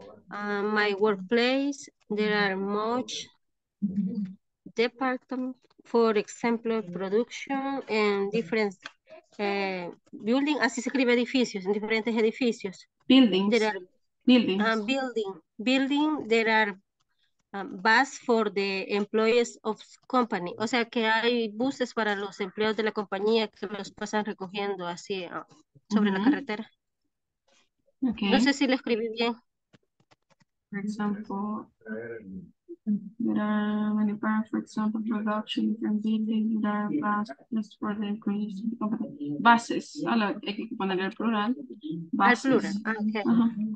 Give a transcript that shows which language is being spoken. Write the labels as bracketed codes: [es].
[en] My workplace, there are much departments, for example, production and different building. [es] Así se escribe edificios, en diferentes edificios. [en] Buildings. There are buildings. Building, there are bus for the employees of company. [es] O sea que hay buses para los empleados de la compañía que los pasan recogiendo así sobre la carretera. [en] Okay. [es] No sé si lo escribí bien. [en] For example, there are many parts, for example, production, different buildings, there are buses for the employees. [es] Buses, hay que poner el plural. Buses. Al plural,